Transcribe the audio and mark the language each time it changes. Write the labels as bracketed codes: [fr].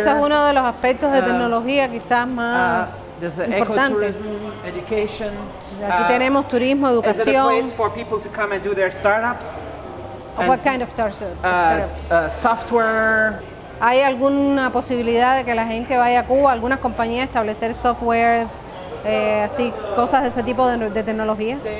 [es] Eso es uno de los aspectos de tecnología quizás más importante. [en] Ecotourism, education. [es] Aquí tenemos turismo, educación. [en] Is it a place for people to come and do their startups? And what kind of startups? Software. [es] ¿Hay alguna posibilidad de que la gente vaya a Cuba, algunas compañías, establecer softwares, así, cosas de ese tipo de tecnología?